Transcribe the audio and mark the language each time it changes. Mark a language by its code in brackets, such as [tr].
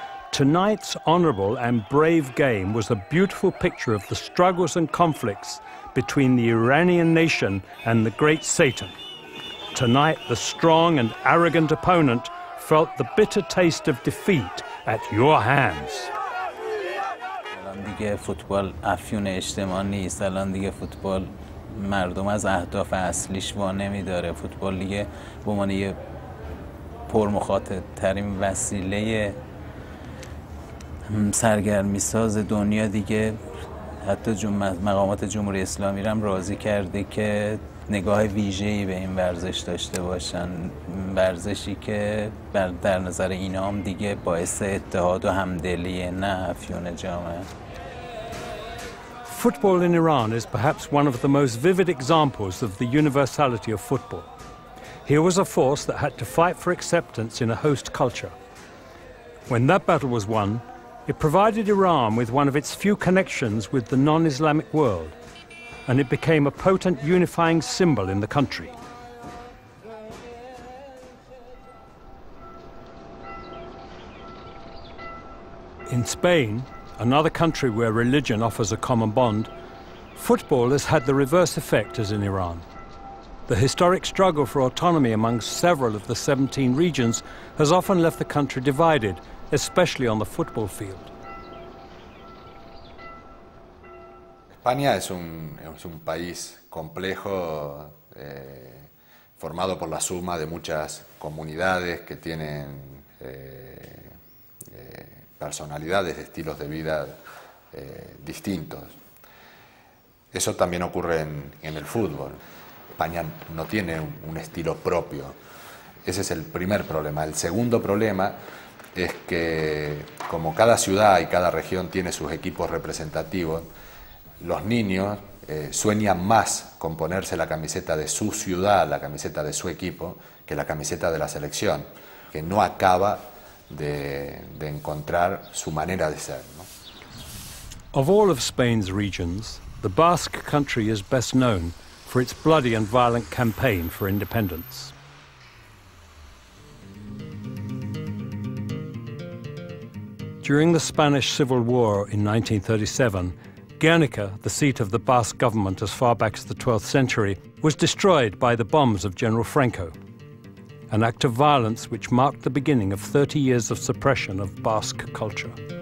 [en] Tonight's honorable and brave game was a beautiful picture of the struggles and conflicts between the Iranian nation and the great Satan. Tonight, the strong and arrogant opponent felt the bitter taste of defeat at your hands. [fa] الان دیگه فوتبال افیون اجتماعی نیست. الان دیگه فوتبال مردم از اهداف اصلیش وا نمی‌داره. فوتبال دیگه به معنی پرمخاطب‌ترین وسیله سرگرمی‌ساز دنیا دیگه. حتی مقامات جمهوری اسلامی هم راضی کرده که نگاه ویژه‌ای به این ورزش داشته باشن. ورزشی که در نظر اینا هم دیگه باعث اتحاد و همدلیه، نه افیون جامعه. [en] Football in Iran is perhaps one of the most vivid examples of the universality of football. Here was a force that had to fight for acceptance in a host culture. When that battle was won, it provided Iran with one of its few connections with the non-Islamic world, and it became a potent unifying symbol in the country. In Spain, another country where religion offers a common bond, football has had the reverse effect as in Iran. The historic struggle for autonomy among several of the 17 regions has often left the country divided, especially on the football field. [es] España es un país complejo, formado por la suma de muchas comunidades que tienen personalidades, estilos de vida distintos. Eso también ocurre en el fútbol. España no tiene un estilo propio. Ese es el primer problema. El segundo problema es que, como cada ciudad y cada región tiene sus equipos representativos, los niños sueñan más con ponerse la camiseta de su ciudad, la camiseta de su equipo, que la camiseta de la selección, que no acaba de encontrar su manera de ser, ¿no? [en] Of all of Spain's regions, the Basque country is best known for its bloody and violent campaign for independence. During the Spanish Civil War in 1937, Guernica, the seat of the Basque government as far back as the 12th century, was destroyed by the bombs of General Franco, an act of violence which marked the beginning of 30 years of suppression of Basque culture.